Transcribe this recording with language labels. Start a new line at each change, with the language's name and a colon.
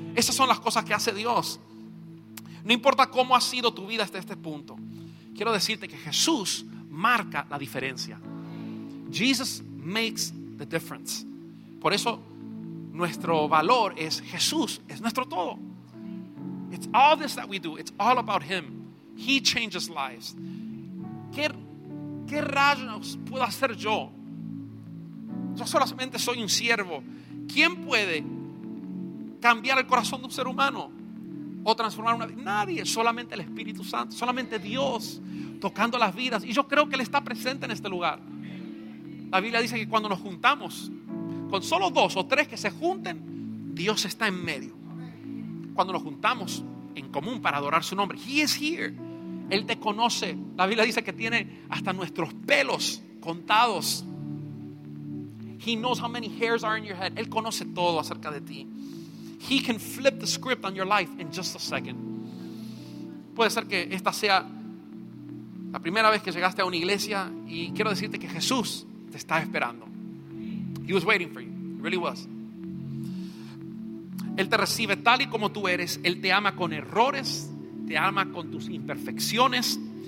Spanish: Esas son las cosas que hace Dios. No importa cómo ha sido tu vida hasta este punto. Quiero decirte que Jesús marca la diferencia.
English: Jesus makes the difference.
Spanish: Por eso nuestro valor es Jesús, es nuestro todo.
English: It's all this that we do, it's all about Him. He changes lives.
Spanish: ¿Qué rayos puedo hacer yo? Yo solamente soy un siervo. ¿Quién puede cambiar el corazón de un ser humano o transformar una vida? Nadie, solamente el Espíritu Santo, solamente Dios tocando las vidas. Y yo creo que Él está presente en este lugar. La Biblia dice que cuando nos juntamos, con solo dos o tres que se junten, Dios está en medio. Cuando nos juntamos en común para adorar su nombre,
English: He is here.
Spanish: Él te conoce. La Biblia dice que tiene hasta nuestros pelos contados.
English: He knows how many hairs are in your head.
Spanish: Él conoce todo acerca de ti.
English: He can flip the script on your life in just a second.
Spanish: Puede ser que esta sea la primera vez que llegaste a una iglesia y quiero decirte que Jesús te está esperando.
English: He was waiting for you. He really was.
Spanish: Él te recibe tal y como tú eres. Él te ama con errores. Te ama con tus imperfecciones.